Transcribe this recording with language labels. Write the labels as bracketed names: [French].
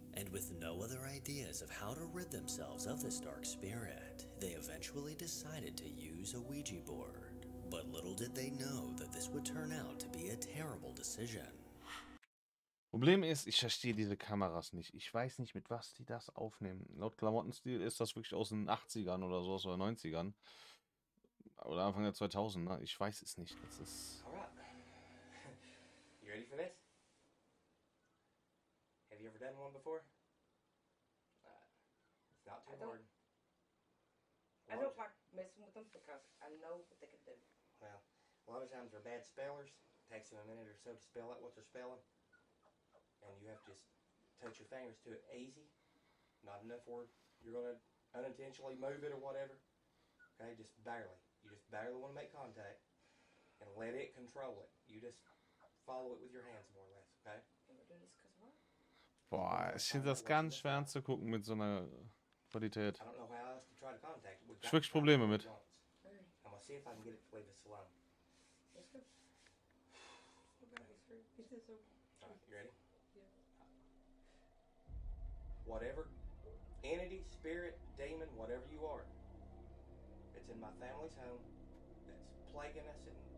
[English] And with no other ideas of how to rid themselves of this dark spirit, they eventually decided to use a Ouija board. But little did they know that this would turn out to be a terrible decision. [German] Problem ist, ich verstehe diese Kameras nicht. Ich weiß nicht, mit was die das aufnehmen. Laut Klamottenstil ist das wirklich aus den 80ern oder so, aus den 90ern. Oder Anfang der 2000er, ich weiß es nicht. Das ist. [English] You ready for this? Have you ever done one before? It's not too hard. I don't talk messing with them because I know what they can do. Well, a lot of times they're bad spellers. It takes them a minute or so to spell out what they're spelling. And you have to just touch your fingers to it easy. Not enough word. You're going to unintentionally move it or whatever. Okay, just barely. You just barely want to make contact and let it control it. You just follow it with your hands more or less, okay? [German] Boah, ich finde das ganz schwer anzugucken mit so einer Qualität. [English] I don't know how else to try to contact. [German] Ich habe wirklich Probleme mit. [English] I'm going to see if I can get it to leave us alone. Let's go. You ready? Yeah. Whatever entity, spirit, demon, whatever you are, in my family's home that's plaguing us and